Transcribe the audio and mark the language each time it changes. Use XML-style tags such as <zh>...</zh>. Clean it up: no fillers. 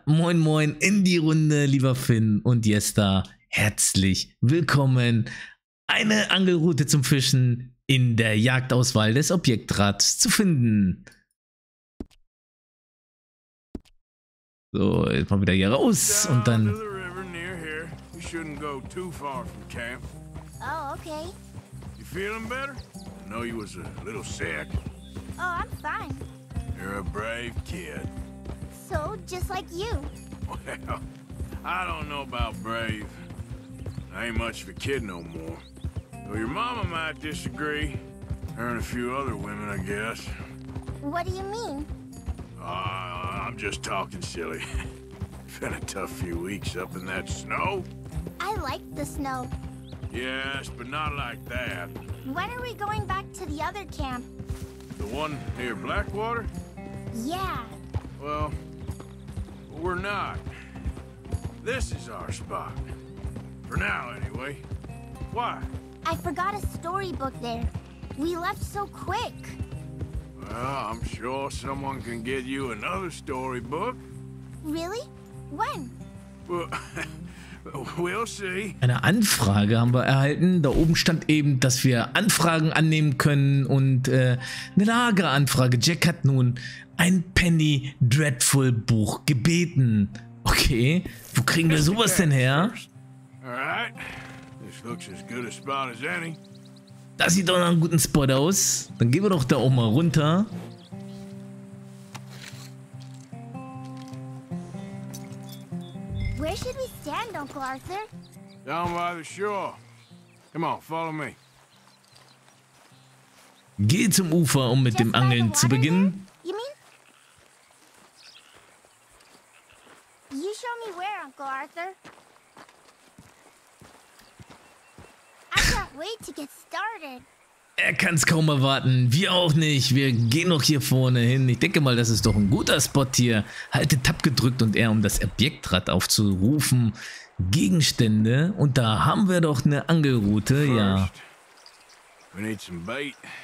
<de>Moin, moin in die Runde, lieber Finn und Jester. Herzlich willkommen. Eine Angelrute zum Fischen in der Jagdauswahl des Objektrats zu finden. So, jetzt mal wieder hier raus und dann.</de> <en>Shouldn't go too far from camp. Oh, okay. You feeling better? I know you was a little sick. Oh, I'm fine. You're a brave kid. So, just like you. Well, I don't know about brave. I ain't much of a kid no more. Though your mama might disagree. Her and a few other women, I guess. What do you mean? I'm just talking silly. It's been a tough few weeks up in that snow. I like the snow. Yes, but not like that. When are we going back to the other camp? The one near Blackwater? Yeah. Well, we're not. This is our spot. For now, anyway. Why? I forgot a storybook there. We left so quick. Well, I'm sure someone can get you another storybook. Really? When? Well... We'll see.</en> <de>Eine Anfrage haben wir erhalten. Da oben stand eben, dass wir Anfragen annehmen können und eine Lageranfrage. Jack hat nun ein Penny Dreadful Buch gebeten. Okay, wo kriegen wir sowas denn her?</de> <en>Alright, this looks as good a spot as any.</en> <de>Das sieht doch nach einem guten Spot aus. Dann gehen wir doch da oben mal runter.</de> <en>Where should we stand, Uncle Arthur? Down by the shore. Come on, follow me.</en> <de>Geh zum Ufer, um mit dem Angeln zu beginnen.</de> <en>You mean? You show me where, Uncle Arthur. I can't wait to get started.</en> <de>Er kann es kaum erwarten. Wir auch nicht. Wir gehen noch hier vorne hin. Ich denke mal, das ist doch ein guter Spot hier. Halte Tab gedrückt und um das Objektrad aufzurufen. Gegenstände. Und da haben wir doch eine Angelrute. Ja.</de> <en>We need some bait.</en>